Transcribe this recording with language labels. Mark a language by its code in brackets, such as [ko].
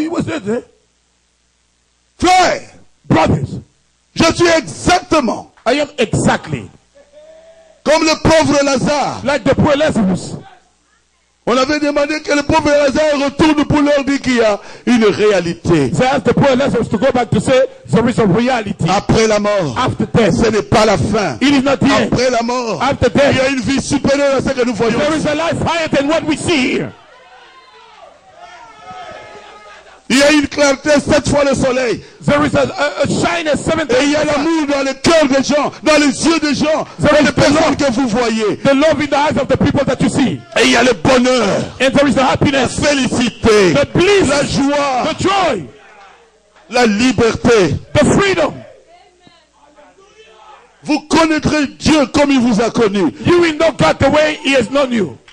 [en] He was dead. [fr] Frère, [en] brothers, [fr] je suis exactement. [en] I am exactly. [fr] Comme le pauvre Lazare. [en] Like the poor Lazarus. [fr] On avait demandé que le pauvre Lazare retourne pour leur dire qu'il y a une réalité. [en] They asked the poor Lazarus to go back to say there is a reality. [fr] Après la mort. [en] After death. [fr] Ce n'est pas la fin. [en] It is not the end. [fr] Après la mort. [en] After death. [fr] Il y a une vie supérieure à ce que nous voyons. [en] There is a life higher than what we see here. [fr] Il y a une clarté sept fois le soleil. [en] There is a shine seven [fr] times. Et il y a l'amour dans le cœur des gens, dans les yeux des gens, [en] there [fr] dans les personnes que vous voyez. [en] The love in the eyes of the people that you see. [fr] Et il y a le bonheur. [en] And there is the happiness. [fr] La félicité. [en] The bliss. [fr] La joie. [en] The joy. [fr] La liberté. [en] The freedom. [fr] Vous connaîtrez Dieu comme il vous a connu. [en] You will know God the way he has known you.